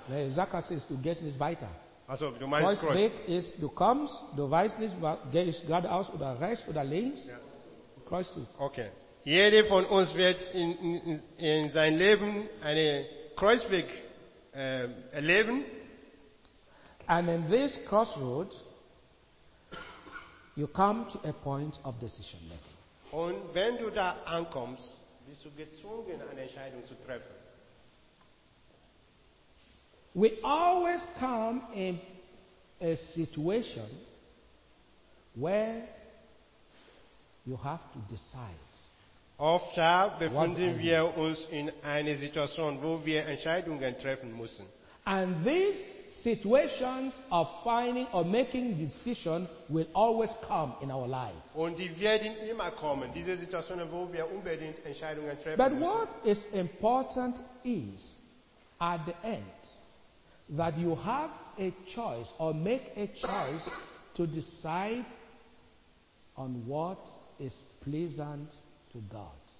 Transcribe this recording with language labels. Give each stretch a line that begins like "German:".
German: Nee, Sackgasse ist, du gehst nicht weiter. Also, du meinst Kreuzweg. Kreuzweg ist, du kommst, du weißt nicht, gehst geradeaus oder rechts oder links. Ja. Kreuzzug. Okay. Jeder von uns wird in sein Leben einen Kreuzweg erleben.
English: And in this crossroad, you come to a point of decision making.
German: Und wenn du da ankommst, bist du gezwungen, eine Entscheidung zu treffen.
English: We always come in a situation where you have to decide.
German: Oft befinden wir uns in einer Situation, wo wir Entscheidungen treffen müssen.
English: And these situations of finding or making decision will always come in our life.
German: Und die werden immer kommen, diese Situationen, wo wir unbedingt Entscheidungen treffen müssen.
English: But what is important is at the end that you have a choice or make a choice to decide on what is pleasant to God.